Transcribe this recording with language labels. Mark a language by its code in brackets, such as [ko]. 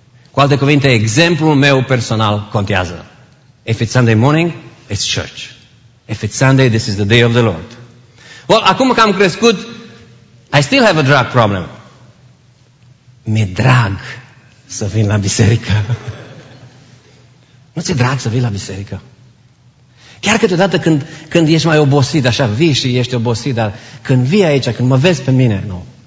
[ro] Cu alte cuvinte, exemplul meu personal contează. [en] If it's Sunday morning, it's church. If it's Sunday, this is the day of the Lord. Well, [ro] acum că am crescut, [en] I still have a drug problem. [ro] Mi-e drag să vin la biserică. Nu ți-e drag să vii la biserică? Chiar câteodată când ești mai obosit, așa, vii și ești obosit, dar când vii aici, când mă vezi pe mine, nu.